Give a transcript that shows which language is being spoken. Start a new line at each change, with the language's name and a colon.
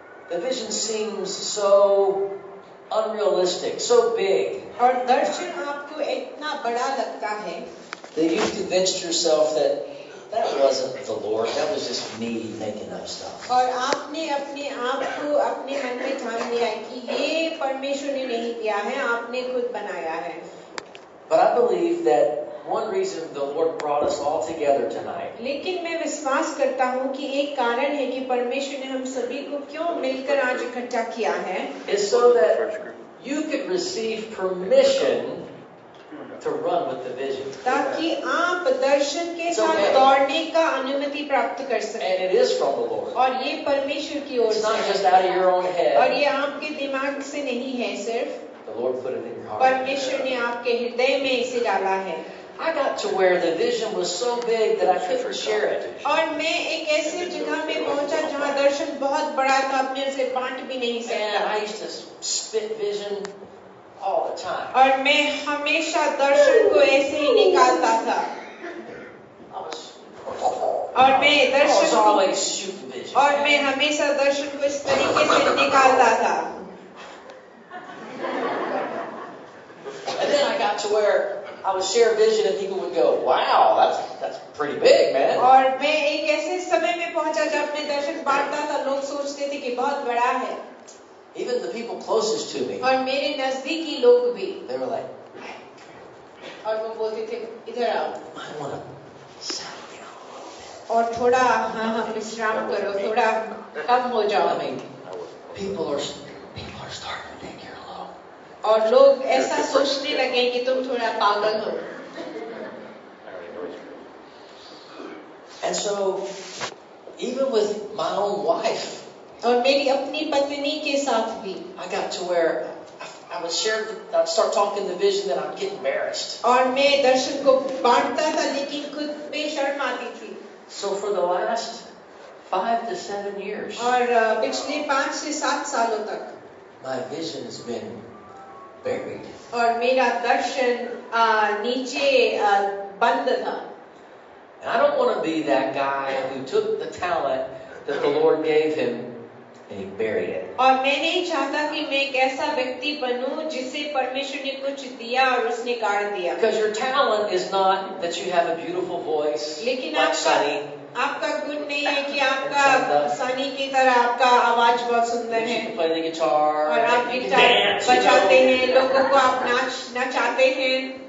English: The vision seems so unrealistic, so big.
Hindi: और दर्शन आपको इतना बड़ा लगता है.
English: That you've convinced yourself that that wasn't the Lord. That was just me making up stuff.
Hindi: और आपने अपने आप को अपने मन में ठान लिया कि ये परमेश्वर ने नहीं दिया है, आपने खुद बनाया है.
English: But I believe that one reason the Lord brought us all together tonight.
Hindi: लेकिन मैं विश्वास करता हूँ कि एक कारण है कि परमेश्वर ने हम सभी को क्यों मिलकर आज इकट्ठा किया है.
English: Is so that you could receive permission to run with the vision.
Hindi: ताकि आप दर्शन के साथ दौड़ने का अनुमति प्राप्त कर सकें.
English: And it is from the Lord.
Hindi: और ये परमेश्वर की ओर से.
English: It's not just out of your own head.
Hindi: और ये आपके दिमाग से नहीं है सिर्फ.
English: The Lord put it in your heart.
Hindi: परमेश्वर ने आपके हृदय में इसे डाला है.
English: I got to where the vision was so big that I couldn't share it.
Hindi: और मैं एक ऐसे जगह में पहुंचा जहां दर्शन बहुत बड़ा था, अपने से बांट भी नहीं सकता.
English: I used to spit vision all the time.
Hindi: और मैं हमेशा दर्शन को ऐसे ही निकालता था. और मैं दर्शन को और मैं हमेशा दर्शन को इस तरीके से निकालता था.
English: And then I got to where I would share a vision and people would go, wow, that's pretty big, man.
Hindi: और मैं एक ऐसे समय में पहुंचा जब मैं दर्शन बांटता था, लोग सोचते थे कि बहुत बड़ा है.
English: Even the people closest to me.
Hindi: और मेरे नजदीकी लोग भी.
English: They were like.
Hindi: और वो बोलते थे इधर आओ.
English: I want to settle down a little bit.
Hindi: और थोड़ा हाँ विश्राम करो, थोड़ा कम हो जाओ.
English: People are starting to think you're alone.
Hindi: और लोग ऐसा सोचने लगे कि तुम थोड़ा पागल हो.
English: And so, even with my own wife.
Hindi: और मेरी अपनी पत्नी के साथ भी.
English: I got to where I was sharing, I'd start talking the vision, and I'd get embarrassed.
Hindi: और मैं दर्शन को बांटता था, लेकिन खुद पे शर्म आती थी.
English: So for the last 5 to 7 years.
Hindi: और पिछले 5 से 7 सालों तक.
English: My vision has been buried.
Hindi: और मेरा दर्शन नीचे बंद था.
English: And I don't want to be that guy who took the talent that the Lord gave him.
Hindi: और मैं नहीं चाहता कि मैं एक ऐसा व्यक्ति बनूं जिसे परमेश्वर ने कुछ दिया और उसने गाड़ दिया.
English: Because your talent is not that you have a beautiful voice.
Hindi: लेकिन आपका गुण नहीं है कि आपका सनी की तरह आपका आवाज बहुत सुंदर है.
English: You play the guitar.
Hindi: और आप गिटार बजाते हैं, लोगों को आप नचाते हैं.